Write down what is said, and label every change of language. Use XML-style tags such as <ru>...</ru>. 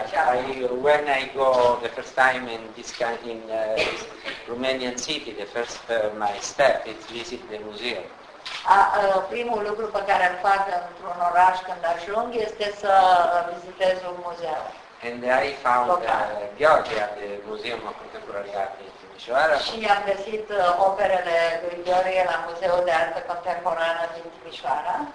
<en>And when I go the first time in this kind in this Romanian city, the first my step is visit the museum.</en> <ro>Primul lucru pe care îl fac într-un oraș când ajung este să vizitez un muzeu.</ro> <en>And I found Gheorghe at the Museum of Contemporary Art in Timișoara.</en> <ro>Și am găsit operele lui Gheorghe la Muzeul de Artă Contemporană din Timișoara.</ro>